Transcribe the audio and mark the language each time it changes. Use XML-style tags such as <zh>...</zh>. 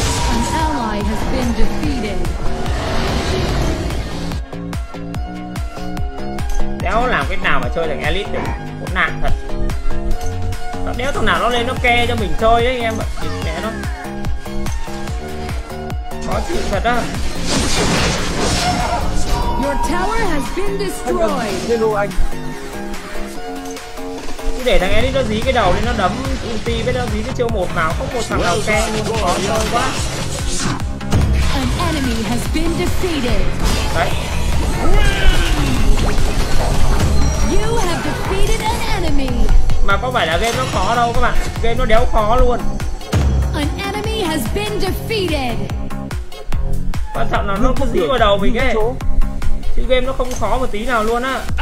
<en>An ally has been defeated.</en> <vi>Đéo làm cái nào mà chơi được elite được. Cũng nặng thật. Đéo thằng nào nó lên nó ke cho mình chơi đấy anh em ạ. Nhìn mẹ nó. Khó chịu thật á.</vi> <en>Your tower</en> <vi>Hello anh. Cứ để thằng Eddie nó dí cái đầu lên nó đấm ulti với nó dí cái chiêu một nào không một thằng nào khen luôn, khó chơi quá.</vi> <en>An enemy has been defeated. Đấy. You have defeated an enemy.</en> <vi>Mà có phải là game nó khó đâu các bạn, game nó đéo khó luôn.</vi> <en>An enemy has been defeated.</en> <vi>Quan trọng là nó cứ dí vào đầu mình ấy. Chứ game nó không khó một tí nào luôn á.</vi>